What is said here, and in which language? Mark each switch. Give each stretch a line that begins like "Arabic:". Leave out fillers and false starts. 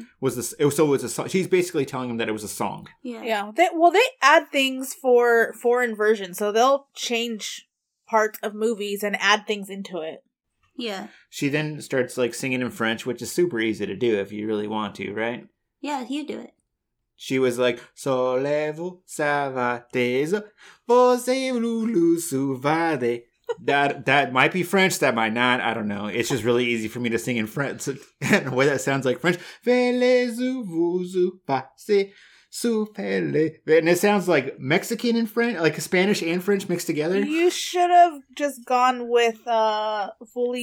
English: It was a song. She's basically telling him that it was a song. Yeah. They add things for foreign versions. So they'll change parts of movies and add things into it. Yeah. She then starts like singing in French, which is super easy to do if you really want to, right? Yeah, you do it.
French: She was like, Solez-vous, ça va, déjà, vous avez le souverain.
English: That might be French, that might not, I don't know. It's just really easy for me to sing in French. And the way that sounds like French. And it sounds like Mexican and French, like Spanish and French mixed together. You should have just gone with fully.